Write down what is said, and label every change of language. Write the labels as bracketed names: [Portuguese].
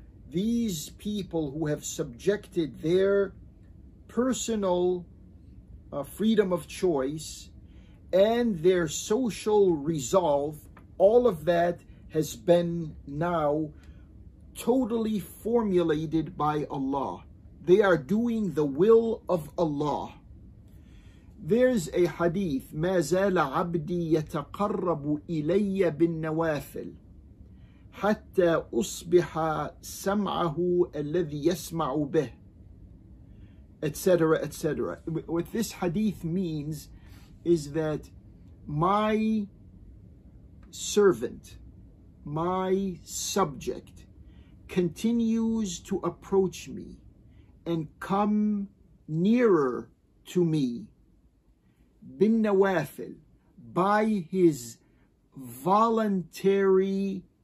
[English] These people who have subjected their personal freedom of choice and their social resolve, all of that has been now totally formulated by Allah. They are doing the will of Allah. There's a hadith, [Arabic] مَا زَالَ عَبْدِي يَتَقَرَّبُ إِلَيَّ بِالنَّوَافِلِ حَتَّى أُصْبِحَ سَمْعَهُ الَّذِي يَسْمَعُ بِهِ, etc., etc. [English] What this hadith means is that my servant, my subject, continues to approach me and come nearer to me bin nawafil, by his voluntary